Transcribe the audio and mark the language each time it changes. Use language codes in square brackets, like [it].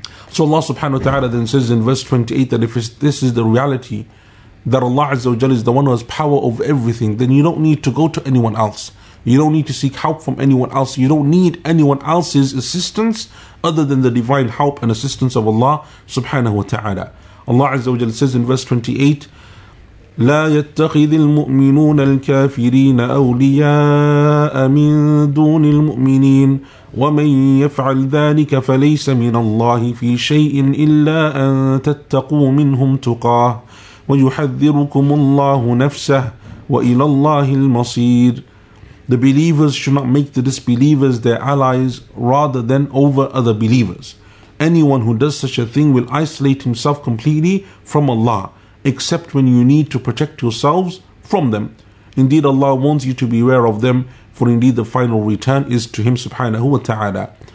[en] So Allah subhanahu wa ta'ala then says in verse 28 that if this is the reality, that Allah Azza wa Jalla is the one who has power over everything, then you don't need to go to anyone else. You don't need to seek help from anyone else. You don't need anyone else's assistance other than the divine help and assistance of Allah subhanahu wa ta'ala. Allah Azza wa Jalla says in verse 28, [ar] لا يتخذ المؤمنون الكافرين أولياء من دون المؤمنين ومن يفعل ذلك فليس من الله في شيء إلا أن تتقوا منهم تقاه ويحذركم الله نفسه وإلى الله المصير. [en] The believers should not make the disbelievers their allies rather than over other believers. Anyone who does such a thing will isolate himself completely from Allah, except when you need to protect yourselves from them. Indeed, Allah wants you to beware of them, for indeed the final return is to Him subhanahu wa ta'ala.